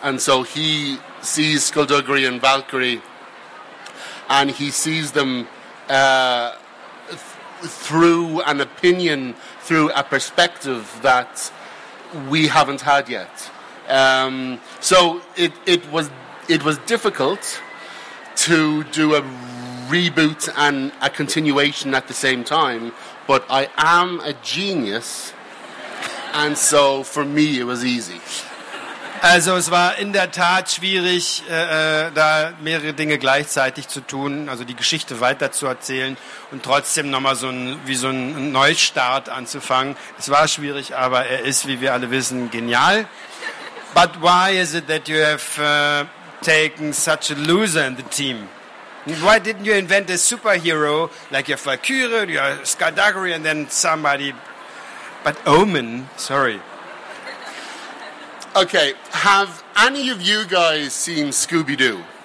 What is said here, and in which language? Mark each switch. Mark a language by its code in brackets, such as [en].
[en] And so he sees Skullduggery and Valkyrie, and he sees them through an opinion, through a perspective that we haven't had yet. So it was difficult to do a reboot and a continuation at the same time, but I am a genius, and so for me it was easy. [de] Also es war in der Tat schwierig, da mehrere Dinge gleichzeitig zu tun, also die Geschichte weiter zu erzählen und trotzdem nochmal so ein Neustart anzufangen. Es war schwierig, aber er ist, wie wir alle wissen, genial. [en] But why is it that you have taken such a loser in the team? Why didn't you invent a superhero like your Valkyrie, your Skullduggery, and then somebody? But Omen, sorry. Okay, have any of you guys seen Scooby-Doo?